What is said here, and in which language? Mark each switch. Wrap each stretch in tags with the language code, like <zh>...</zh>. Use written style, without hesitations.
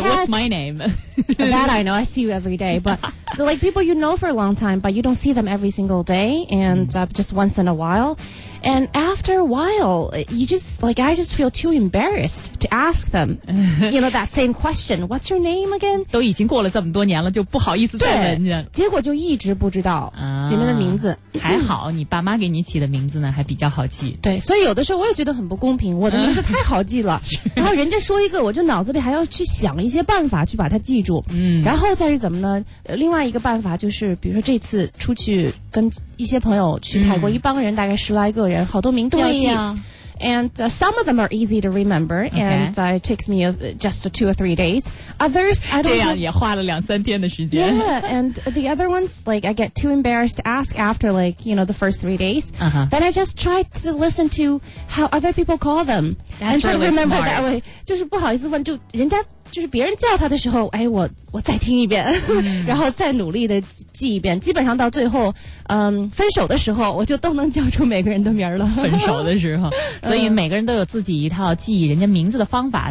<en>Okay, what's my name? That I know. I see you every day. But, like, people you know for a long time, but you don't see them every single day. And just once in a while. And after a while, you just, like, I just feel too embarrassed to ask them, you know, that same question. What's your name again?</en> <zh>都已经过了这么多年了，就不好意思再问你了。结果就一直不知道人家的名字。还好你爸妈给你起的名字呢，还比较好记。对，所以有的时候我也觉得很不公平，我的名字太好记了。然后人家说一个，我就脑子里还要去想一些办法去把它记住。然后再是怎么呢？另外一个办法就是，比如说这次出去跟一些朋友去泰国，一帮人大概十来个人，好多名字要记。</zh> <en>And some of them are easy to remember, and it takes me just two or three days. Others, I don't know.</en> <zh>这样也花了两三天的时间。</zh> <en>Yeah, and the other ones, like, I get too embarrassed to ask after, like, you know, the first 3 days. Uh-huh. Then I just try to listen to how other people call them. That's really smart. That way.</en> <zh>就是不好意思问，就人家就是别人叫他的时候，哎，我再听一遍，然后再努力的记一遍。基本上到最后，分手的时候，我就都能叫出每个人的名了。分手的时候，所以每个人都有自己一套记忆人家名字的方法。</zh>